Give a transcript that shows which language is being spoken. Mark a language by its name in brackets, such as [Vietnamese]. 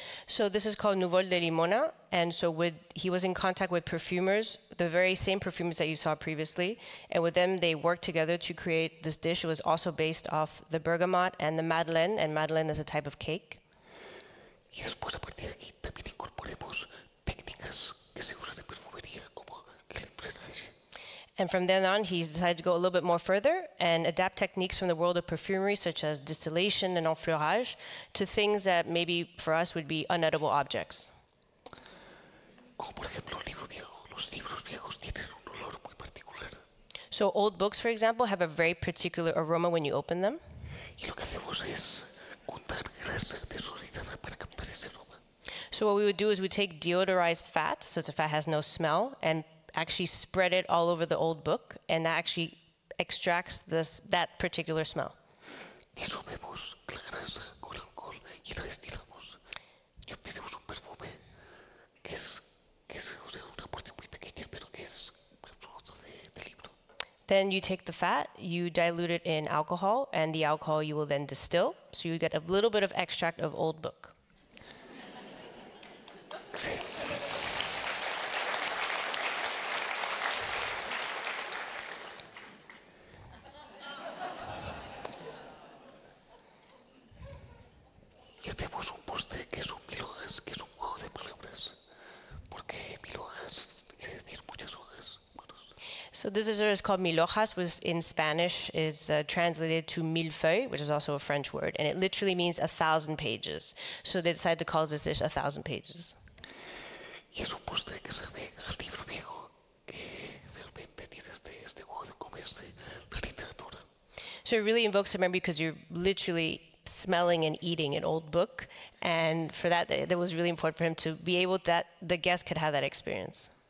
[English] So this is called Nuvol de Limona, and so he was in contact with perfumers, the very same perfumers that you saw previously, and with them they worked together to create this dish. It was also based off the bergamot and the madeleine, and madeleine is a type of cake. [Spanish] Y después, a partir de aquí, también incorporemos técnicas que se usan en perfumería, como el embrenaje. [English] And from then on, he's decided to go a little bit more further and adapt techniques from the world of perfumery, such as distillation and enfleurage, to things that maybe for us would be unedible objects. [Spanish] Como, por ejemplo, los libros viejos tienen un olor muy particular. [English] So old books, for example, have a very particular aroma when you open them. [Spanish] Y lo que hacemos es juntar grasa desolidada para que. [English] So what we would do is we take deodorized fat, so it's a fat has no smell, and actually spread it all over the old book, and that actually extracts that particular smell. [Spanish] Disolvemos la grasa con el alcohol y la destilamos. Y obtenemos un perfume que es una parte muy pequeña, pero que es producto del libro. [English] Then you take the fat, you dilute it in alcohol, and the alcohol you will then distill, so you get a little bit of extract of old book. [Spanish] Y hacemos un postre que es un milhojas, que es un juego de palabras, porque milhojas quiere decir muchas hojas. [English] So this dessert is called milhojas, which in Spanish is translated to mille feuilles, which is also a French word, and it literally means 1,000 pages. So they decided to call this dish 1,000 pages. [Spanish] Y es un postre que sabe al libro viejo que realmente tiene este juego de comerse la literatura. [English] So it really invokes a memory because you're literally smelling and eating an old book. And for that, that was really important for him to be able that the guest could have that experience.